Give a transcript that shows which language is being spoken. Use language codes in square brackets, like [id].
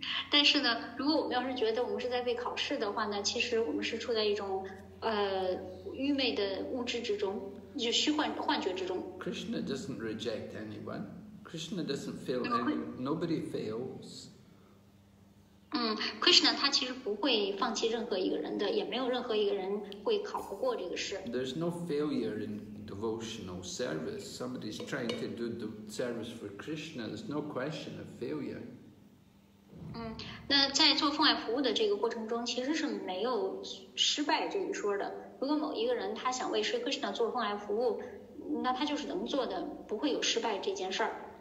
[zh] 但是呢，如果我们要是觉得我们是在为考试的话呢，其实我们是处在一种愚昧的物质之中，就虚幻觉之中。 [en] Krishna doesn't reject anyone. Krishna doesn't fail anyone. Nobody fails. [zh] Krishna 他其实不会放弃任何一个人的，也没有任何一个人会考不过这个试。 [en] There's no failure in devotional service. Somebody's trying to do the service for Krishna. There's no question of failure. [zh] 那在做奉爱服务的这个过程中其实是没有失败这一说的，如果某一个人他想为 Sri Krishna 做奉爱服务，那他就是能做的，不会有失败这件事儿。